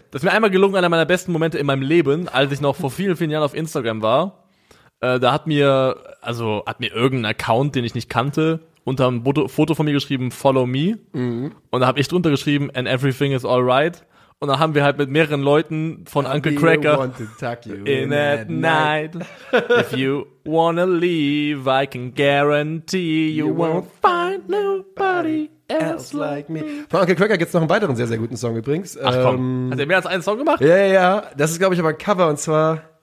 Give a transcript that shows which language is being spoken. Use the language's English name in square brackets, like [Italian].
[German] Das ist mir einmal gelungen, einer meiner besten Momente in meinem Leben, als ich noch vor vielen, vielen Jahren auf Instagram war. Da hat mir irgendein Account, den ich nicht kannte, unter einem Foto von mir geschrieben, [English] follow me. [German] Mhm. Und da habe ich drunter geschrieben, [English] and everything is alright. [German] Und dann haben wir halt mit mehreren Leuten von Uncle Cracker [English] want to tuck you in at night. If you wanna leave, I can guarantee you won't find nobody else like me. [German] Von Uncle Cracker gibt's noch einen weiteren sehr, sehr guten Song übrigens. Ach komm, hat er mehr als einen Song gemacht? Ja. Das ist, glaube ich, aber ein Cover und zwar...